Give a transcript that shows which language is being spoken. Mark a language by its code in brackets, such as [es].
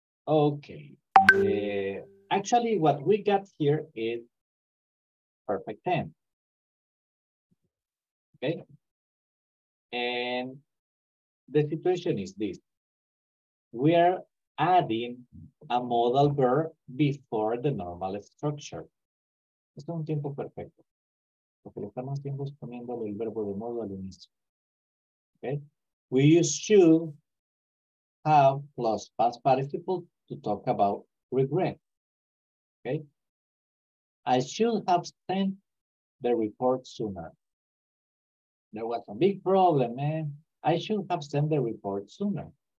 [en] Okay, actually what we got here is perfect tense. Okay, and the situation is this. We are adding a modal verb before the normal structure. [es] Esto es un tiempo perfecto. Lo que le estamos haciendo es poniendo el verbo de modo al inicio. [en] Okay? We use should, have, plus past participle to talk about regret. Okay? I should have sent the report sooner. There was a big problem, man. I should have sent the report sooner.